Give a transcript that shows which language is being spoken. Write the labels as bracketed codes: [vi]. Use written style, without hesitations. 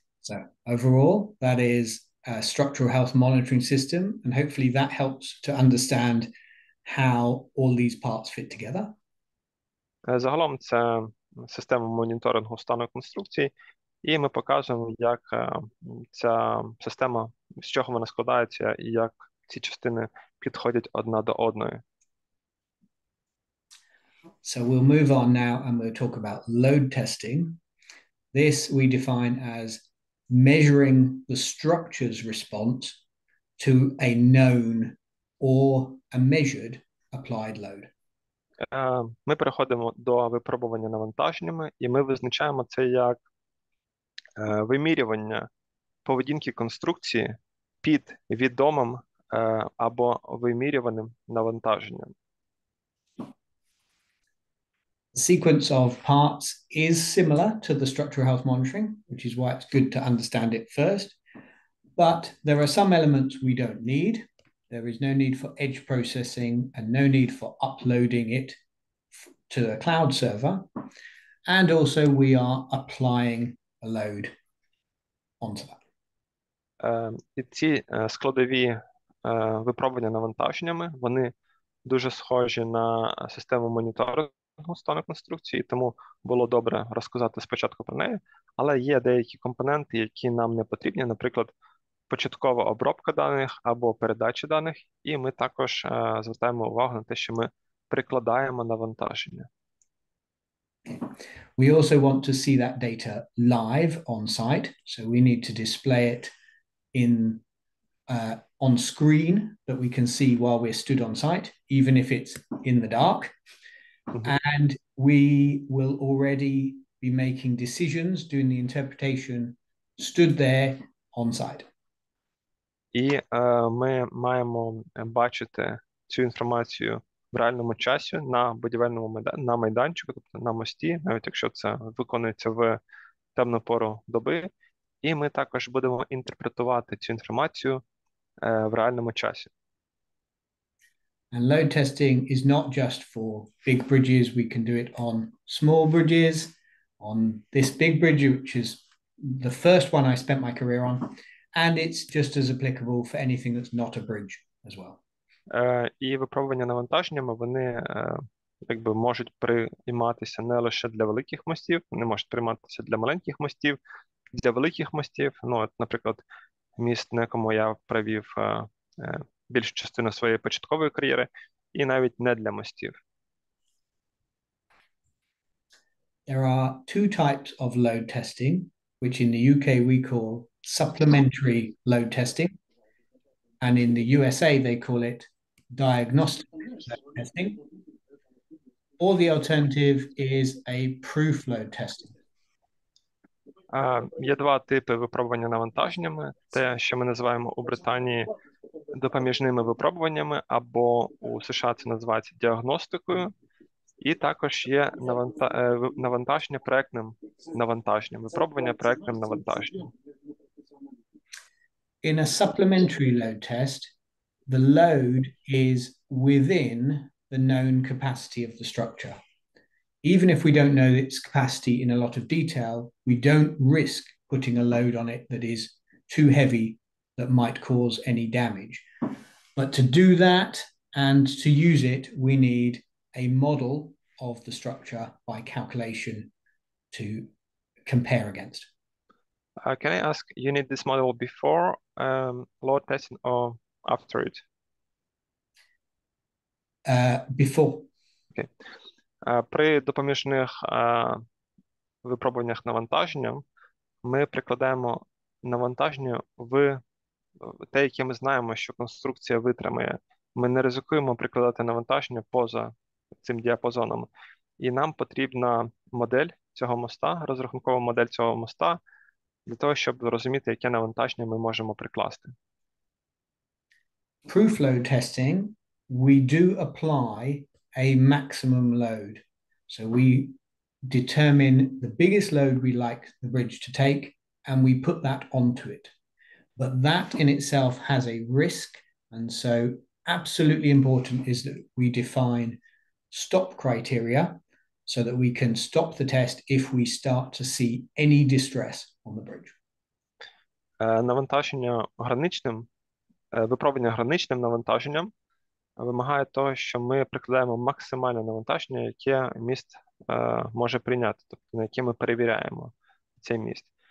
[en] So overall, that is a structural health monitoring system, and hopefully that helps to understand how all these parts fit together. [uk] Загалом це система моніторингу стану конструкції, і ми показуємо, як ця система, з чого вона складається, і як ці частини підходять одна до одної. [en] So we'll move on now and we'll talk about load testing. This we define as measuring the structure's response to a known or a measured applied load. [uk] Ми переходимо до випробування навантаженнями, і ми визначаємо це як вимірювання поведінки конструкції під відомим або вимірюваним навантаженням. [en] Sequence of parts is similar to the structural health monitoring, which is why it's good to understand it first. But there are some elements we don't need. There is no need for edge processing and no need for uploading it to a cloud server. And also we are applying a load onto that. [uk] Ці складові випробування навантаженнями, вони дуже схожі на систему моніторингу стану конструкції, тому було добре розказати спочатку про неї, але є деякі компоненти, які нам не потрібні, наприклад, початкова обробка даних або передача даних, і ми також звертаємо увагу на те, що ми прикладаємо навантаження. [en] We also want to see that data live on site, so we need to display it in on screen that we can see while we're stood on site, even if it's in the dark. And we will already be making decisions, doing the interpretation, stood there on site. [uk] І ми маємо бачити цю інформацію в реальному часі на будівельному на майданчику, тобто на мості, навіть якщо це виконується в темну пору доби. І ми також будемо інтерпретувати цю інформацію в реальному часі. [en] And load testing is not just for big bridges. We can do it on small bridges, on this big bridge, which is the first one I spent my career on. And it's just as applicable for anything that's not a bridge as well. [uk] І випробування навантаженнями, вони якби можуть прийматися не лише для великих мостів, вони можуть прийматися для маленьких мостів, для великих мостів. Ну, от, наприклад, міст, на якому я провів більшу частину своєї початкової кар'єри, і навіть не для мостів. [en] There are two types of load testing, which in the UK we call supplementary load testing, and in the USA they call it diagnostic load testing, or the alternative is a proof load testing. [uk] Є два типи випробування навантаженнями, те, що ми називаємо у Британії допоміжними випробуваннями, або у США це називається діагностикою, і також є навантаження проектним навантаженням, випробування проектним навантаженням. [en] In a supplementary load test, the load is within the known capacity of the structure. Even if we don't know its capacity in a lot of detail, we don't risk putting a load on it that is too heavy that might cause any damage. But to do that and to use it, we need a model of the structure by calculation to compare against. Can I ask, you need this model before load testing or after it? Before. Okay. [uk] При допоміжних випробуваннях навантаженням ми прикладаємо навантаження в те, яке ми знаємо, що конструкція витримає. Ми не ризикуємо прикладати навантаження поза цим діапазоном. І нам потрібна модель цього моста, розрахункова модель цього моста, для того, щоб розуміти, яке навантаження ми можемо прикласти. [en] Proof load testing, we do apply a maximum load. So we determine the biggest load we like the bridge to take, and we put that onto it. But that in itself has a risk. And so absolutely important is that we define stop criteria so that we can stop the test if we start to see any distress on the bridge. [uk] Навантаження граничним, випробування граничним навантаженням вимагає того, що ми прикладаємо максимальне навантаження, яке міст може прийняти, тобто на яке ми перевіряємо цей міст.